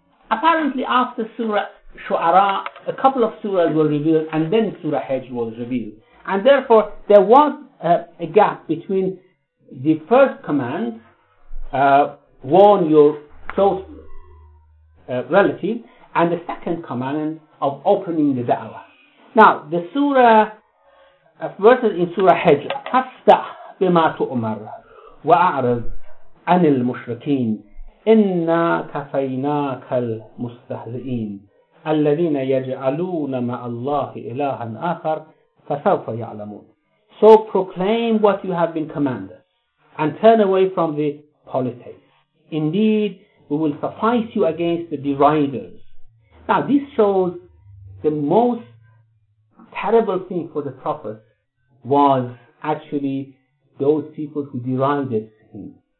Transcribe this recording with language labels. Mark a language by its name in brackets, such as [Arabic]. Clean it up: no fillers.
[English] Apparently, after Surah Shu'ara, a couple of surahs were revealed, and then Surah Hijr was revealed. And therefore, there was a gap between the first command, warn your close relative, and the second command of opening the da'wah. Now, the surah, verses in Surah Hijr, [Arabic] فَاسْتَعْ بِمَا تُؤْمَرْ وَأَعْرَضْ عَنِ الْمُشْرِكِينَ إِنَّا كَفَيْنَاكَ الْمُسْتَهْزِئِينَ الَّذِينَ يَجْعَلُونَ مَعَ اللَّهِ إِلَهًا آخَرَ فَسَوْفَ يَعْلَمُونَ. [English] So proclaim what you have been commanded, and turn away from the polytheists. Indeed, we will suffice you against the deriders. Now, this shows the most terrible thing for the Prophet was actually those people who derided him.